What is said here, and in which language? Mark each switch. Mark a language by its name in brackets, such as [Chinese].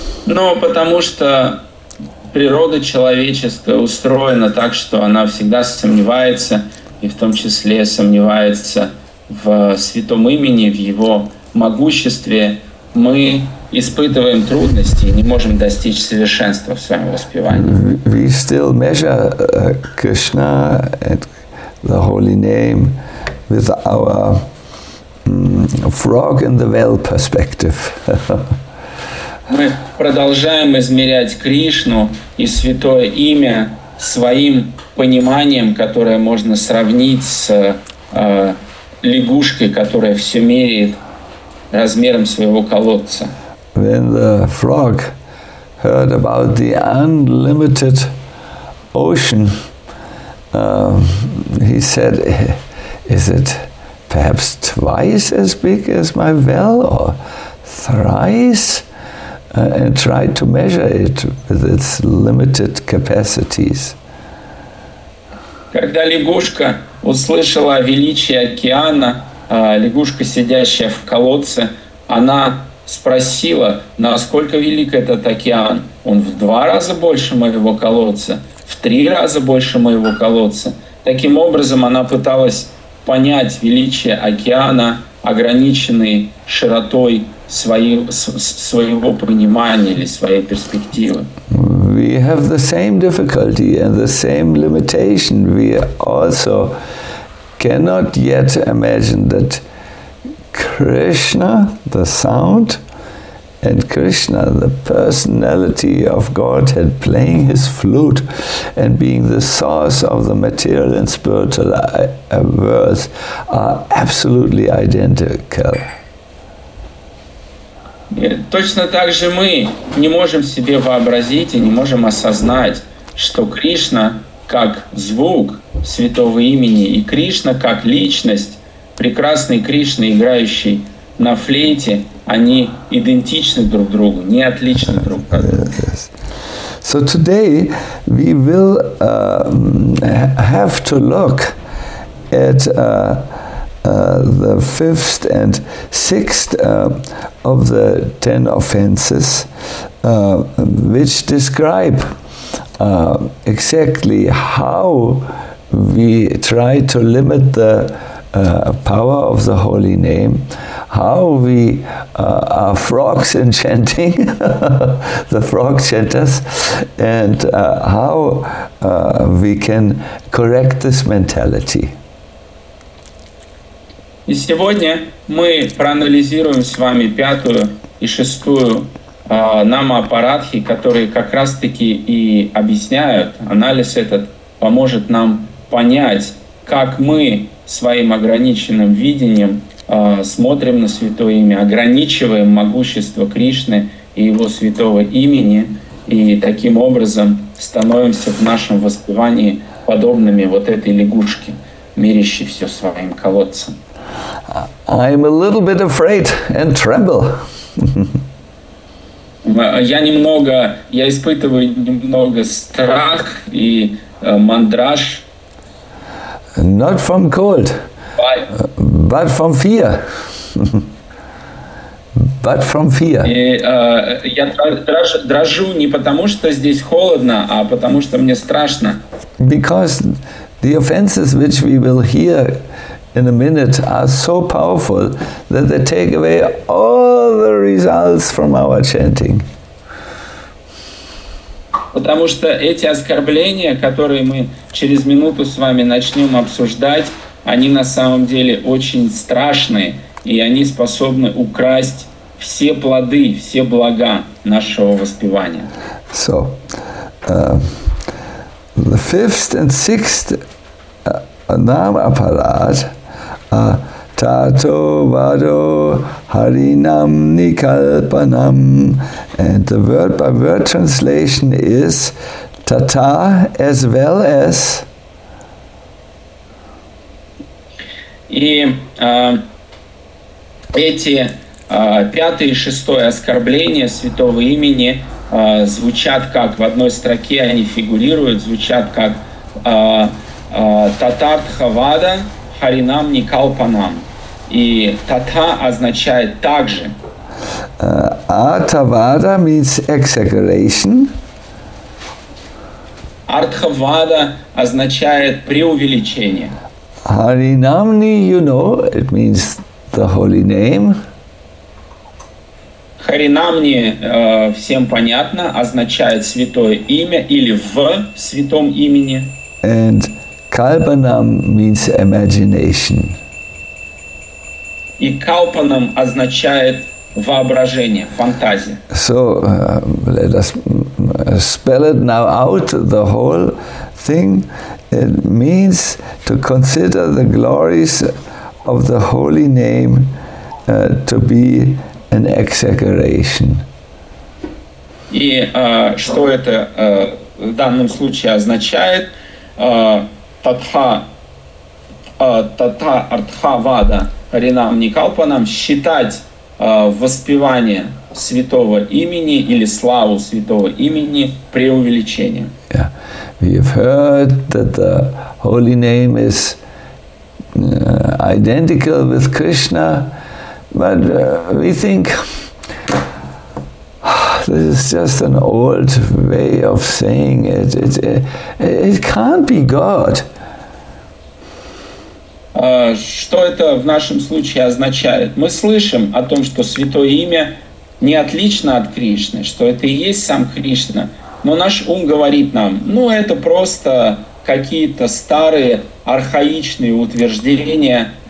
[Russian] Но потому что природа человеческая устроена так, что она всегда сомневается, и в том числе сомневается в святом имени, в его могуществе, мы испытываем трудности и не можем достичь совершенства в своем воспевании. [English] We still measure Krishna and the holy name with our frog in the well perspective. [Russian] Мы продолжаем измерять Кришну и святое имя своим пониманием, которое можно сравнить с лягушкой, которая все меряет размером своего колодца. [English] When the frog heard about the unlimited ocean, he said, is it perhaps twice as big as my well or thrice? And tried to measure it with its limited capacities. [Russian] Когда лягушка услышала о величии океана, лягушка, сидящая в колодце, она спросила, насколько велик этот океан? Он в два раза больше моего колодца, в три раза больше моего колодца. Таким образом, она пыталась понять величие океана, ограниченной широтой своего понимания или своей перспективы. [English] We have the same difficulty and the same limitation. We also cannot yet imagine that Krishna, the sound, and Krishna, the personality of Godhead, playing his flute and being the source of the material and spiritual worlds, are absolutely identical. [Russian] Точно так же мы не можем себе вообразить и не можем осознать, что Кришна как звук святого имени и Кришна как личность, прекрасный Кришна, играющий на флейте, они идентичны друг другу, не отличны друг от друга. [English] So today we will have to look at the fifth and sixth of the ten offenses, which describe exactly how we try to limit the power of the holy name, how we are frogs in chanting, the frog chanters, and how we can correct this mentality. [Russian] И сегодня мы проанализируем с вами пятую и шестую намапарадхи, которые как раз-таки и объясняют, анализ этот поможет нам понять, как мы своим ограниченным видением смотрим на святое имя, ограничиваем могущество Кришны и его святого имени, и таким образом становимся в нашем воспевании подобными вот этой лягушке, мерящей все своим колодцем. [English] I'm a little bit afraid and tremble. [Russian] Я испытываю немного страх и мандраж. [English] Not from cold, but from fear. But from fear. [Russian] Я дрожу не потому, что здесь холодно, а потому, что мне страшно. [English] Because the offenses which we will hear in a minute are so powerful that they take away all the results from our chanting. [Russian] Потому что эти оскорбления, которые мы через минуту с вами начнем обсуждать, они на самом деле очень страшные, и они способны украсть все плоды, все блага нашего воспевания. [English] So, the fifth and sixth namaparad Tato Vado Harinam Nikalpanam, and the word by word translation is Tata as well as. [Russian] И эти пятое и шестое оскорбления святого имени звучат как в одной строке они фигурируют, звучат как Татартха Вада Харинам Никалпанам. И тата означает также. [English] Артхавада means exaggeration. [Russian] Артхавада означает преувеличение. [English] Харинамни, you know, it means the holy name. [Russian] Харинамни, всем понятно, означает святое имя или в святом имени. [English] And Kalpanam means imagination. [Russian] И калпанам означает воображение, фантазия. [English] So, let us spell it now out, the whole thing. It means to consider the glories of the holy name to be an exaggeration. [Russian] И что это в данном случае означает? Татха артха вада харинам никалпанам, считать воспевание святого имени или славу святого имени преувеличением. [English] Yeah. We have heard that the holy name is identical with Krishna, but we think this is just an old way of saying it. It can't be God. [Russian] Что это в нашем случае означает? Мы слышим о том, что святое имя не отлично от Кришны, что это и есть сам Кришна. Но наш ум говорит нам, ну это просто какие-то старые архаичные утверждения.